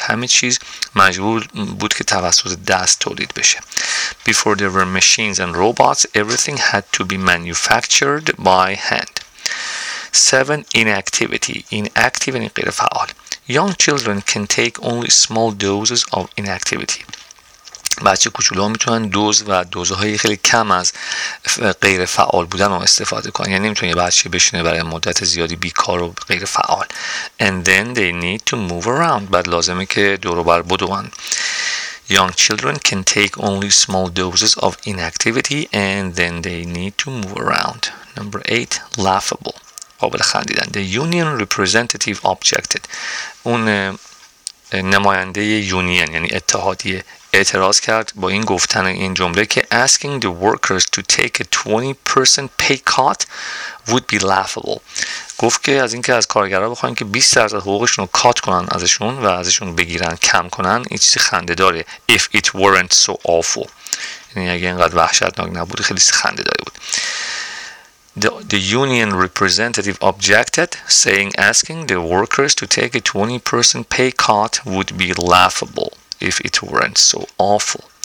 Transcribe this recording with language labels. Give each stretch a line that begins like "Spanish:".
Persian: همه چیز مجبور بود که توسط دست تولید بشه.
English: Before there were machines and robots, everything had to be manufactured by hand. 7, inactivity. Inactive
Persian: یعنی غیر فعال.
English: Young children can take only small doses of inactivity.
Persian: بچه کوچولو ها میتونن دوز و دوزهای خیلی کم از غیر فعال بودن رو استفاده کنن. یعنی نمیتونه یه بچه بشینه برای مدت زیادی بیکار و غیر فعال.
English: And then they need to move around.
Persian: بعد لازمه که دور و بر بدون.
English: Young children can take only small doses of inactivity and then they need to move around. Number 8, laughable.
Persian: قابل خندیدن.
English: The union representative objected.
Persian: اون نماینده یونین یعنی اتحادیه اعتراض کرد با این گفتن این جمله که
English: asking the workers to take a 20% pay cut would be laughable.
Persian: گفت که از اینکه از کارگرها بخواهن که 20% حقوقشون رو کات کنن ازشون و ازشون بگیرن کم کنن این چیزی خنده داره.
English: If it weren't so awful.
Persian: یعنی اگه اینقدر وحشتناک نبود خیلی خنده داره بود.
English: The union representative objected, saying asking the workers to take a 20% pay cut would be laughable if it weren't so awful.